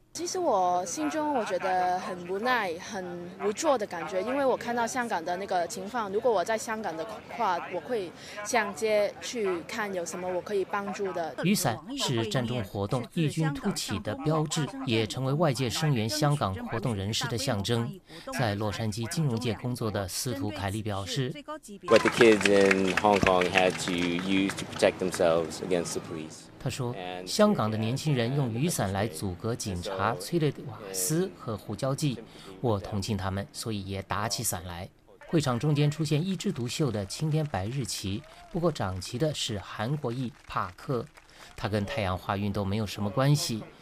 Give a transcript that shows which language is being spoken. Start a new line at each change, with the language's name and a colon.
Chinese: 其实我心中我觉得很无奈很无助的感觉，因为我看到香港的那个情况，如果我在香港的话，我会上街去看有什么我可以帮助的。雨伞是战中活动异军突起的标志，也成为外界声援香港活动人士的象征。在洛杉矶金融界工作的司徒凯利表示，
English: What the kids in Hong Kong had to use to protect themselves against the police。
Chinese: 他说，香港的年轻人用雨伞来阻隔警察催泪瓦斯和胡椒剂，我同情他们，所以也打起伞来。会场中间出现一枝独秀的青天白日旗，不过掌旗的是韩国裔帕克，他跟太阳花运动没有什么关系。